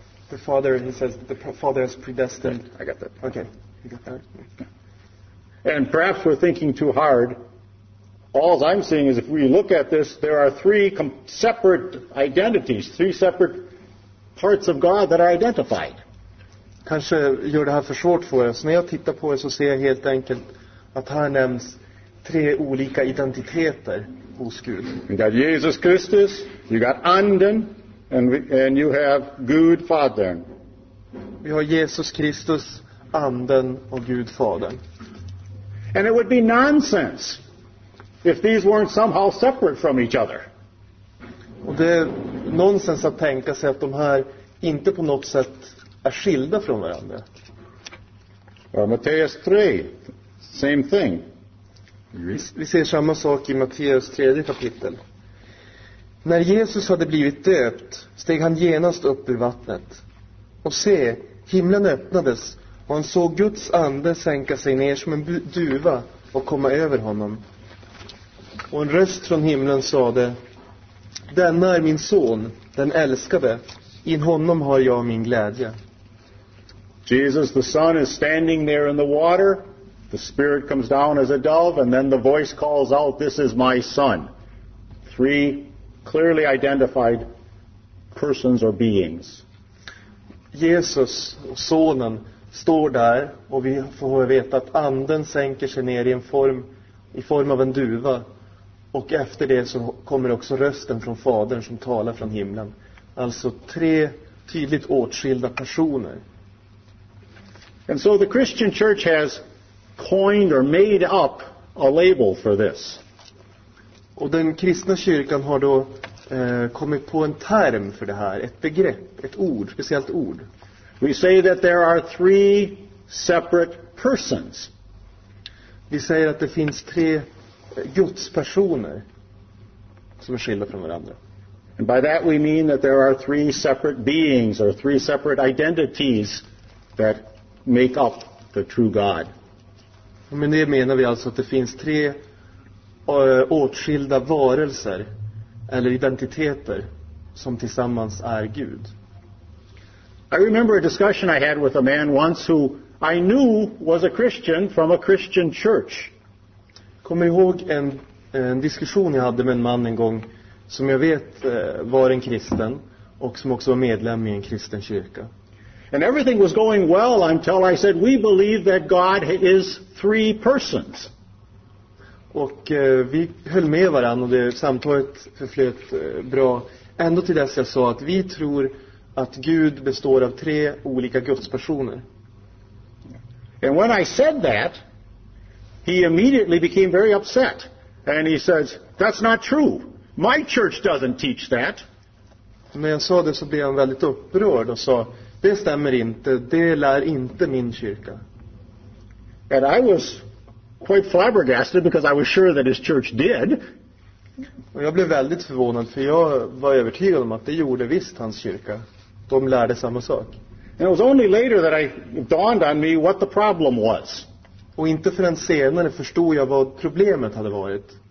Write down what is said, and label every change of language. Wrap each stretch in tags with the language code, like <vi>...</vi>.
<en>The Father, he says, the Father is predestined. I got that. Okay. You got that? And perhaps we're thinking too hard. All I'm seeing is if we look at this, there are three separate identities, three separate parts of God that are identified.</en> <sv>Kanske gör det här för svårt för oss. När jag tittar på det så ser jag helt enkelt att här nämns tre olika identiteter hos Gud.</sv> <en>You got Jesus Christus, you got Anden, and you have Gud Fadern.</en> <sv>Vi har Jesus Kristus, Anden och Gud Fadern.</sv> <en>And it would be nonsense if these weren't somehow separate from each other.</en> <sv>Och det är nonsens att tänka sig att de här inte på något sätt är skilda från varandra.</sv> <en>Or Matteus 3, same thing.</en> <sv>Vi ser samma sak i Matteus 3 kapitel. När Jesus hade blivit döpt steg han genast upp ur vattnet. Och se, himlen öppnades och han såg Guds ande sänka sig ner som en duva och komma över honom. Och en röst från himlen sade: denna är min son, den älskade. In honom har jag min glädje.</sv> <en>Jesus the Son is standing there in the water. The Spirit comes down as a dove and then the voice calls out, this is my son. Three clearly identified persons or beings.</en> <sv>Jesus, sonen, står där och vi får veta att anden sänker sig ner i form av en duva. Och efter det så kommer också rösten från fadern som talar från himlen. Alltså tre tydligt åtskilda personer.</sv> <en>And so the Christian church has coined or made up a label for this.</en> <sv>Och den kristna kyrkan har då kommit på en term för det här, ett begrepp, ett ord, speciellt ord.</sv> <en>We say that there are three separate persons.</en> <sv>Vi säger att det finns tre gudspersoner som är skilda från varandra.</sv> <en>And by that we mean that there are three separate beings or three separate identities that make up the true God.</en> <sv>Men det menar vi alltså att det finns tre åtskilda varelser eller identiteter som tillsammans är Gud.</sv> <en>I remember a discussion I had with a man once who I knew was a Christian from a Christian church.</en> <sv>Kommer ihåg en diskussion jag hade med en man en gång som jag vet var en kristen och som också var medlem i en kristen kyrka.</sv> <en>And everything was going well until I said we believe that God is three persons.</en> <sv>Och vi höll med varandra och det samtalet förflöt bra. Ändå till dess jag sa att vi tror att Gud består av tre olika gudspersoner.</sv> <en>And when I said that, he immediately became very upset. And he says, that's not true. My church doesn't teach that.</en> <sv>När jag sa det så blev han väldigt upprörd och sa: det stämmer inte. Det lär inte min kyrka.</sv> <en>And I was quite flabbergasted because I was sure that his church did.</en> <sv>Och jag blev väldigt förvånad för jag var övertygad om att det gjorde visst hans kyrka. De lärde samma sak.</sv> <en>And it was only later that I dawned on me what the problem was.</en> <sv>Och inte förrän senare förstod jag vad problemet hade varit.</sv>